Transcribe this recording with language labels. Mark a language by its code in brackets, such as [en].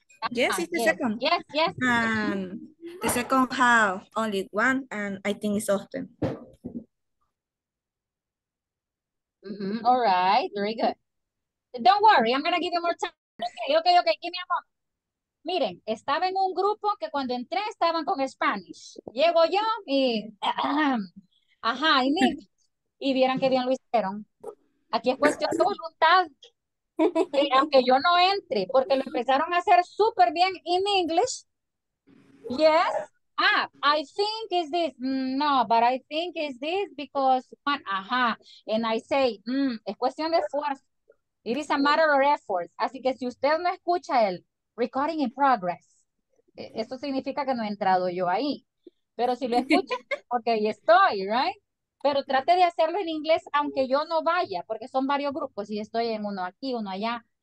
[en] Yes, it's the second. The second have only one, and I think it's often. Mm-hmm. All right, very good. Don't worry, I'm going to give you more time. Okay, give me a moment. [es] Miren, estaba en un grupo que cuando entré estaban con Spanish. Llego yo y... ajá, y Nick. Y vieran qué bien lo hicieron. Aquí es cuestión de voluntad. Y aunque yo no entre, porque lo empezaron a hacer súper bien [en] in English. Yes. Ah, I think is this. No, but I think is this because one, ajá. And I say, [es] es cuestión de esfuerzo. [en] It is a matter of effort. [es] Así que si usted no escucha el [en] recording in progress, [es] eso significa que no he entrado yo ahí. Pero si lo escucha, ok, estoy, right? Pero trate de hacerlo en inglés, aunque yo no vaya, porque son varios grupos y estoy en uno aquí, uno allá.